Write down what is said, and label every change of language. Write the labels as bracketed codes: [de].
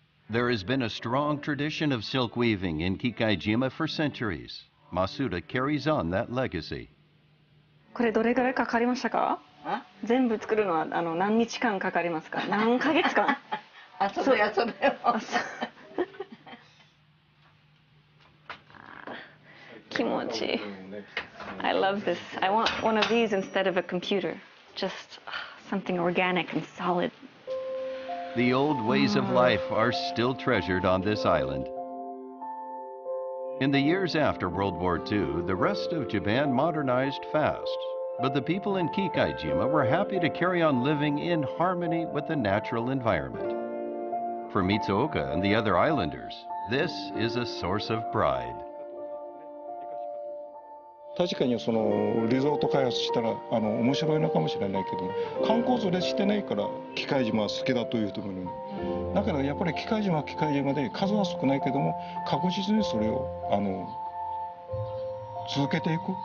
[en] There has been a strong tradition of silk weaving in Kikaijima for centuries. Masuda carries on that legacy. [ja] これどれぐらいかかりましたか？全部作るのはあの何日間かかりますか？何ヶ月間？あ、そうや、そうや。気持ちいい。 [en] I love this. I want one of these instead of a computer. Just something organic and solid. The old ways of life are still treasured on this island. In the years after World War II, the rest of Japan modernized fast. But the people in Kikaijima were happy to carry on living in harmony with the natural environment. For Mitsuoka and the other islanders, this is a source of pride. [ja] 確かにそのリゾート開発したらあの面白いのかもしれないけど、観光連れしてないから機械島は好きだという人もいる。だからやっぱり機械島は機械島で数は少ないけども、確実にそれをあの続けていく、